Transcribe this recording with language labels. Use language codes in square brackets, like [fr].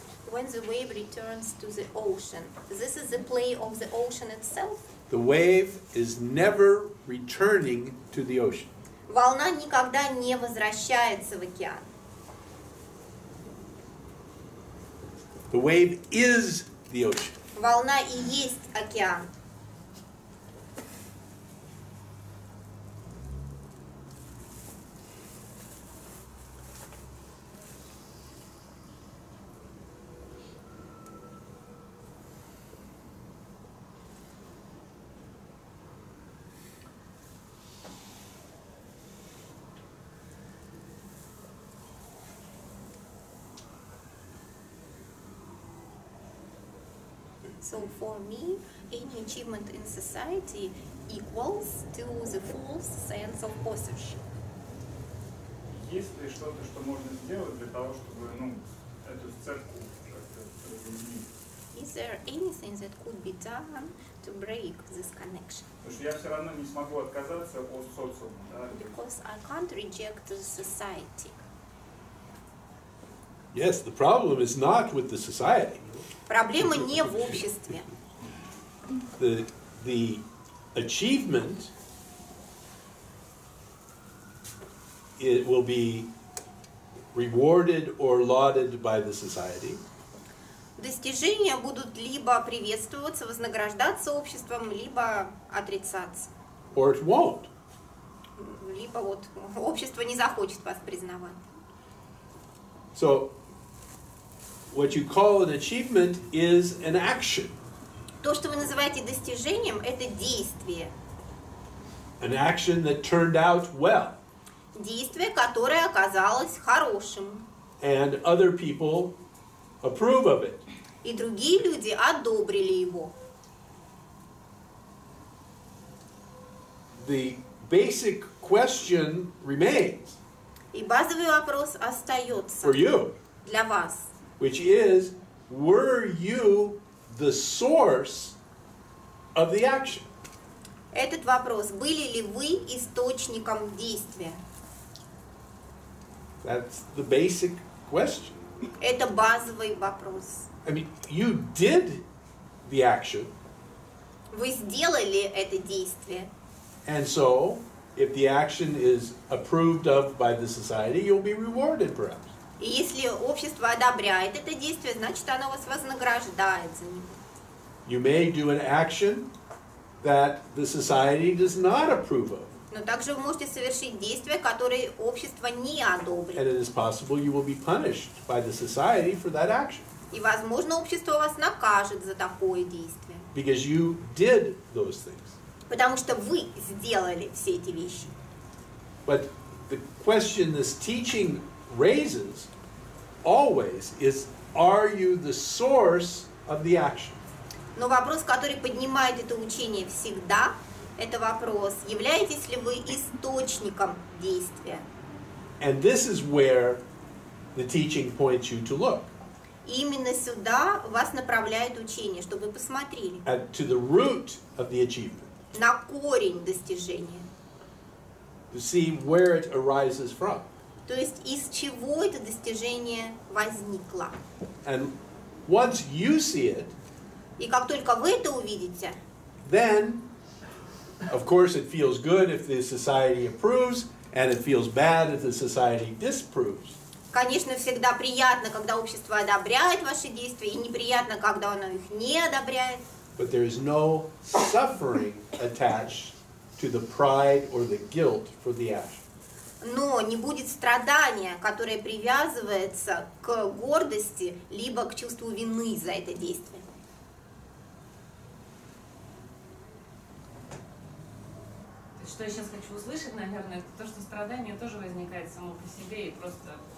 [en] When the wave returns to the ocean, this is the play of the ocean itself. The wave is never returning to the ocean. [ru] Волна никогда не возвращается в океан. [en] The wave is the ocean. [ru] Волна и есть океан. [en] So for me, any achievement in society equals to the false sense of possession. [ru] Есть ли что-то, что можно сделать для того, чтобы, ну, эту церковь как-то разъединить? [en] Is there anything that could be done to break this connection? [ru] Потому что я все равно не смогу отказаться от социума. Да? [en] Because I can't reject the society. Yes, the problem is not with the society. [ru] Проблема не в обществе. [en] The achievement it will be rewarded or lauded by the society. [ru] Достижения будут либо приветствоваться, вознаграждаться обществом, либо отрицаться. [en] Or it won't. [ru] Либо вот общество не захочет вас признавать. [en] So what you call an achievement is an action. [ru] То, что вы называете достижением, это действие. [en] An action that turned out well. [ru] Действие, которое оказалось хорошим. [en] And other people approve of it. [ru] И другие люди одобрили его. [en] The basic question remains. [ru] И базовый вопрос остается. [en] For you. [ru] Для вас. [en] Which is, were you the source of the action? [ru] Этот вопрос, были ли вы источником действия? [en] That's the basic question. [ru] Это базовый вопрос. [en] I mean, you did the action. [ru] Вы сделали это действие. [en] And so, if the action is approved of by the society, you'll be rewarded perhaps. [ru] И если общество одобряет это действие, значит, оно вас вознаграждает за него. [en] You may do an action that the society does not approve of. [ru] Но также вы можете совершить действие, которое общество не одобрит. [en] And it is possible you will be punished by the society for that action. [ru] И, возможно, общество вас накажет за такое действие. [en] Because you did those things. [ru] Потому что вы сделали все эти вещи. [en] But the question this teaching raises always is, are you the source of the action? [ru] Но вопрос, который поднимает это учение всегда, это вопрос, являетесь ли вы источником действия? [en] And this is where the teaching points you to look. [ru] И именно сюда вас направляет учение, чтобы вы посмотрели. [en] At, to the root of the achievement. [ru] На корень достижения. [en] To see where it arises from. [ru] То есть, из чего это достижение возникло. [en] And once you see it, [ru] и как только вы это увидите, [en] then, of course, it feels good if the society approves, and it feels bad if the society disapproves. [ru] Конечно, всегда приятно, когда общество одобряет ваши действия, и неприятно, когда оно их не одобряет. [en] But there is no suffering attached to the pride or the guilt for the action. [ru] Но не будет страдания, которое привязывается к гордости либо к чувству вины за это действие. Что я сейчас хочу услышать, наверное, это то, что страдание тоже возникает само по себе и просто